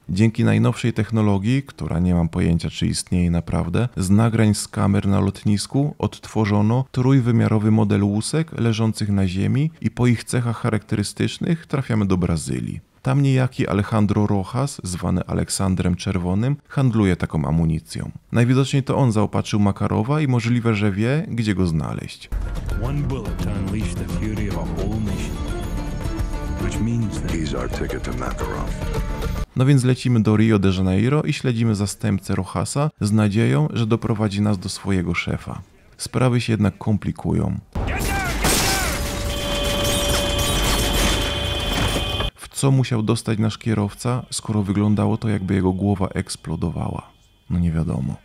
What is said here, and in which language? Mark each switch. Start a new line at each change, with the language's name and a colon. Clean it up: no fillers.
Polish: Dzięki najnowszej technologii, która nie mam pojęcia, czy istnieje naprawdę, z nagrań z kamer na lotnisku odtworzono trójwymiarowy model łusek leżących na ziemi i po ich cechach charakterystycznych trafiamy do Brazylii. Tam niejaki Alejandro Rojas, zwany Aleksandrem Czerwonym, handluje taką amunicją. Najwidoczniej to on zaopatrzył Makarowa i możliwe, że wie, gdzie go znaleźć.
English: One bullet to unleash the fury of a whole nation. Which means that he's our ticket to Makarov.
Polish: No więc lecimy do Rio de Janeiro i śledzimy zastępcę Rojasa z nadzieją, że doprowadzi nas do swojego szefa. Sprawy się jednak komplikują. Co musiał dostać nasz kierowca, skoro wyglądało to, jakby jego głowa eksplodowała? No nie wiadomo.